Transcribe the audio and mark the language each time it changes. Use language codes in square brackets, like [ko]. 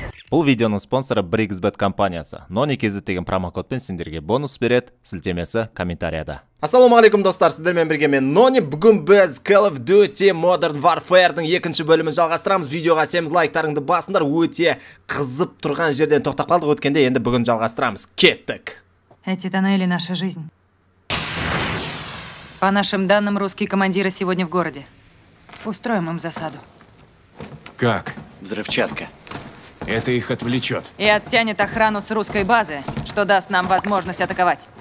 [kk] Бұл видеоның спонсоры BricksBet компаниясы. Нон екезі деген промокодпен сендерге бонус берет, сілтемесі комментарияда. Ассаламу алейкум, достар, сіздермен бірге мен Нони. Бүгін біз Call of Duty Modern Warfare-дің екінші бөлімін жалғастырамыз. Видеоға семіз лайктарыңды басындар, өте қызып тұрған жерден тоқтап қалдық өткенде, енді бүгін жалғастырамыз. Кеттік! [ru] Эти тоннели – наша жизнь. По нашим данным, русские командиры сегодня в городе. Устроим им засаду. Как? Взрывчатка. Это их отвлечет. И оттянет охрану с русской базы, что даст нам возможность атаковать.